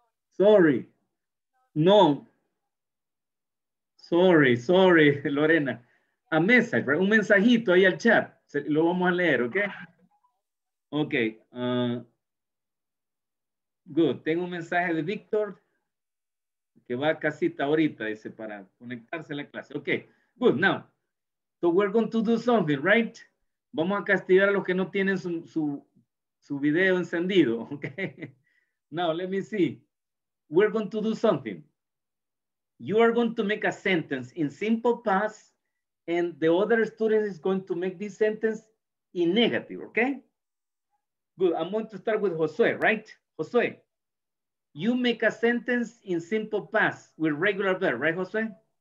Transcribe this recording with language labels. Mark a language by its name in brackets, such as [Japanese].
[English] Sorry. No. Sorry, Lorena. A message, right? [Spanish] Un mensajito ahí al chat. Lo vamos a leer, ¿ok? Ok. [English] Good. [Spanish] Tengo un mensaje de Víctor que va a casita ahorita, dice, para conectarse a la clase. [English] Ok. Good. Now, so we're going to do something, right? [Spanish] Vamos a castigar a los que no tienen su video encendido, ok? [English] Now, let me see. We're going to do something. You are going to make a sentence in simple past, and the other student is going to make this sentence in negative, ok? Good. I'm going to start with Josué, right? Josué, you make a sentence in simple past with regular verb, right, Josué?